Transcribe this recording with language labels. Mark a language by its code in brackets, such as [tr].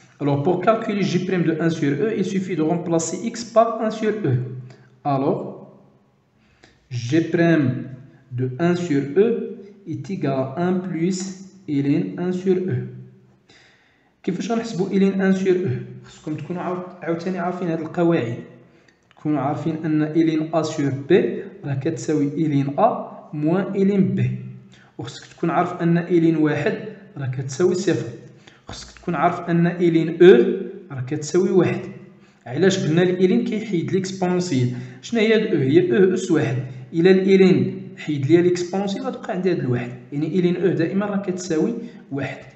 [fr] Alors, pour calculer g' de 1 sur e, il suffit de remplacer x par 1 sur e. Alors, g' de 1 sur e est égal à 1 plus ln 1 sur e. [ar] كيفاش غنحسبوا [fr] ln 1 sur e؟ [ar] خصكم تكونوا عاوتاني عارفين هذه القواعد. تكونوا عارفين ان [fr] ln a sur b [ar] راه كتساوي ln a موان ln b. وخصك تكون عارف ان ln 1 راه كتساوي 0. خصك تكون عارف ان الين او راه كتساوي واحد. علاش قلنا الين كيحيد ليكسبونسييل؟ شنو هي او؟ هي او اس واحد. الى الين حيد ليا ليكسبونسييل غتبقى عندي هاد الواحد، يعني الين او دائما راه كتساوي واحد.